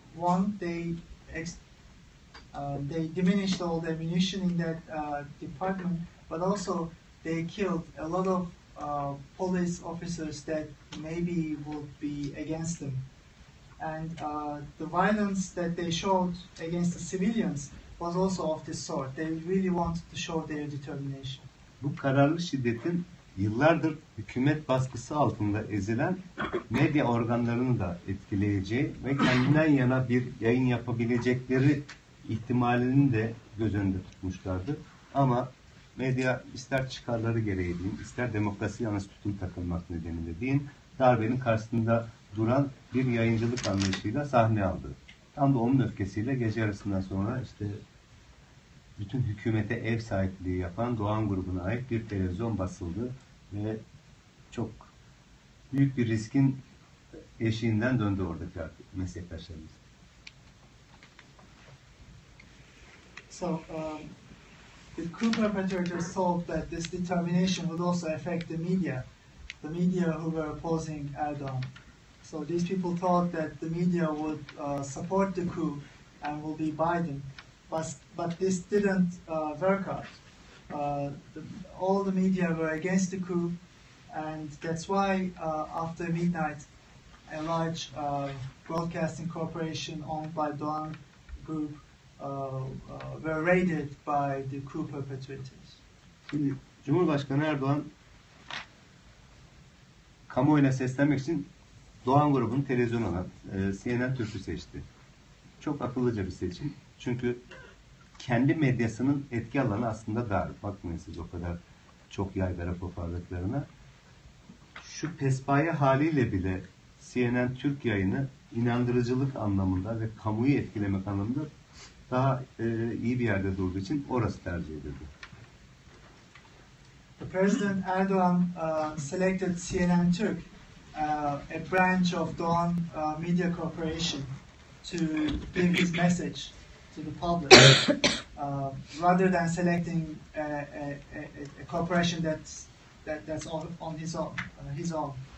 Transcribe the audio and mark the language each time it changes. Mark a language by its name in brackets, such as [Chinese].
[English] One, they diminished all the ammunition in that department, but also they killed a lot of police officers that maybe would be against them. And the violence that they showed against the civilians was also of this sort. They really wanted to show their determination. [Turkish] Bu kararlı şiddetin yıllardır hükümet baskısı altında ezilen medya organlarını da etkileyeceği ve kendinden yana bir yayın yapabilecekleri ihtimalini de göz önünde tutmuşlardı. Ama medya ister çıkarları gereği diyeyim, ister demokrasi yanlısı tutum takılmak nedeniyle diyeyim, darbenin karşısında duran bir yayıncılık anlayışıyla sahne aldı. Tam da onun öfkesiyle gece yarısından sonra işte bütün hükümete ev sahipliği yapan Doğan grubuna ait bir televizyon basıldı ve çok büyük bir riskin eşiğinden döndü oradaki meslektaşlarımız. [English] So, the coup perpetrators thought that this determination would also affect the media who were opposing Erdogan. So these people thought that the media would support the coup and will be Biden. But this didn't work out. All the media were against the coup, and that's why after midnight, a large broadcasting corporation owned by Doğan Group were raided by the coup perpetrators. [Turkish] Şimdi, Cumhurbaşkanı Erdoğan kamuoyuna seslenmek için Doğan Grubu'nun televizyon alan CNN Türk'ü seçti. Çok akıllıca bir seçim. Çünkü kendi medyasının etki alanı aslında dar. Bakmayın siz o kadar çok yaygara kopardıklarına. Şu pespaye haliyle bile CNN Türk yayını inandırıcılık anlamında ve kamuyu etkilemek anlamında daha iyi bir yerde durduğu için orası tercih edildi. [English] The President Erdoğan selected CNN Türk, a branch of Doğan Media Corporation, to give his message to the public, rather than selecting a corporation that's on his own.